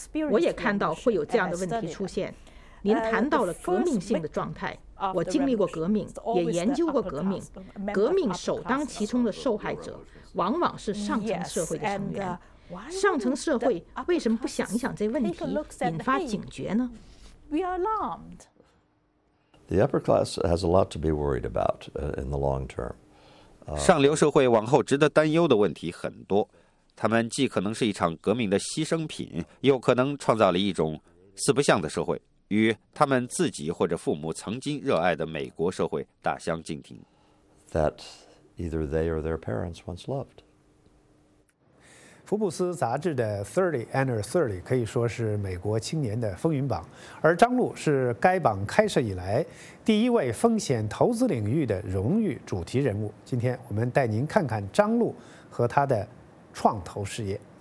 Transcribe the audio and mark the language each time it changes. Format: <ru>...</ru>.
<zh>我也看到会有这样的问题出现。您谈到了革命性的状态，我经历过革命，也研究过革命。革命首当其冲的受害者往往是上层社会的成员。上层社会为什么不想一想这问题，引发警觉呢？</zh> <en>We are alarmed. The upper class has a lot to be worried about in the long term.</en> <zh>上流社会往后值得担忧的问题很多，他们既可能是一场革命的牺牲品，又可能创造了一种四不像的社会，与他们自己或者父母曾经热爱的美国社会大相径庭。</zh> <en>That either they or their parents once loved.</en> <zh>福布斯杂志的30 Under 30可以说是美国青年的风云榜，而张璐是该榜开设以来第一位风险投资领域的荣誉主题人物。今天我们带您看看张璐和他的创投事业。</zh>